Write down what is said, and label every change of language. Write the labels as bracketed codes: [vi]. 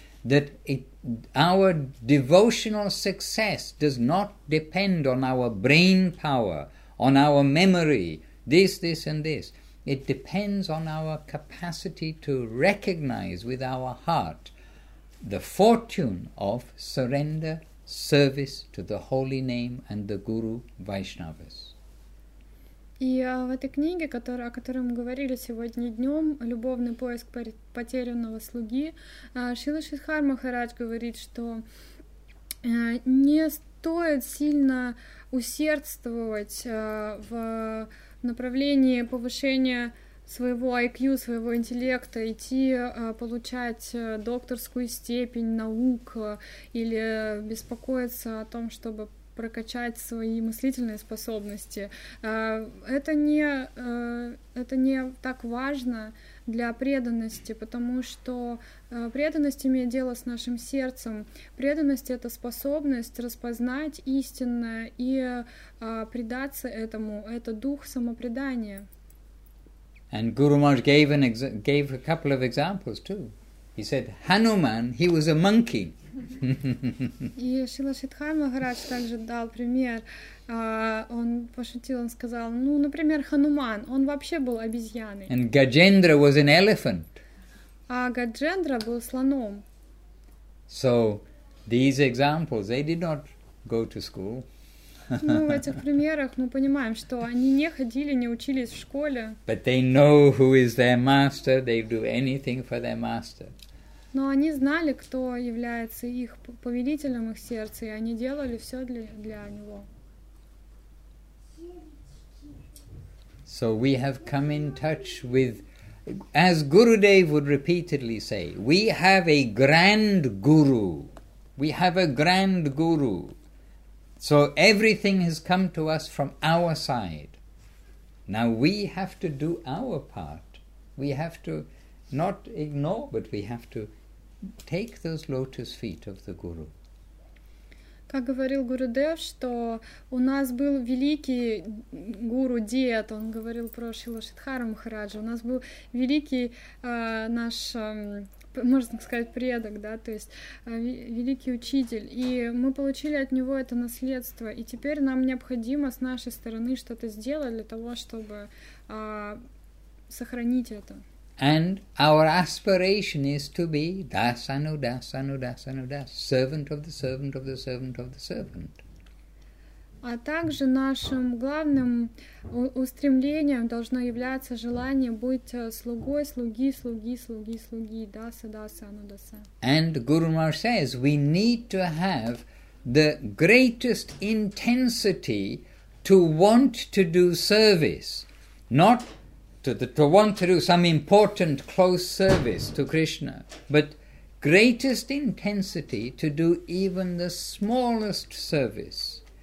[en] That our devotional success does not depend on our brain power, on our memory, this and this. It depends on our capacity to recognize with our heart the fortune of surrender, service to the holy name and the Guru Vaishnavas. [ru] И в этой книге, о которой мы говорили сегодня днем, «Любовный поиск потерянного слуги», Шрила Шридхар Махарадж говорит, что не стоит сильно усердствовать в направлении повышения своего IQ, своего интеллекта, идти получать докторскую степень наук или беспокоиться о том, чтобы прокачать свои мыслительные способности. Это не так важно для преданности, потому что преданность имеет дело с нашим сердцем. Преданность — это способность распознать истинное и предаться этому. Это дух самопредания. [en] And Guru Maharaj gave a couple of examples too. He said, Hanuman, he was a monkey. [ru] И Шрила Шридхар Махарадж также дал пример. Он пошутил, он сказал, ну, например, Хануман, он вообще был обезьяной. [en] And Gajendra was an elephant. [ru] А Гаджендра был слоном. [en] So, these examples, they did not go to school. [ru] Ну, в этих примерах мы понимаем, что они не ходили, не учились в школе. [en] But they know who is their master, they do anything for their master. [ru] Но они знали, кто является их повелителем, их сердца, и они делали все для него. [en] So we have come in touch with, as Gurudev would repeatedly say, we have a grand guru. We have a grand guru. So everything has come to us from our side. Now we have to do our part. We have to not ignore, but we have to take those lotus feet of the guru. [ru] Как говорил Гурудев, что у нас был великий гуру дед, он говорил про Шрилу Шридхара Махараджа. У нас был великий наш, можно сказать, предок, да, то есть великий учитель, и мы получили от него это наследство, и теперь нам необходимо с нашей стороны что-то сделать для того, чтобы сохранить это. [en] And our aspiration is to be dasanu, dasanu, dasanu, das, servant of the servant of the servant of the servant. [ru] А также нашим главным устремлением должно являться желание быть слугой, слуги, слуги, слуги, слуги, даса, даса, анудаса. [en] And Guru Maharaj says we need to have the greatest intensity to want to do service, not to want to do some important close service to Krishna, but greatest intensity to do even the smallest service.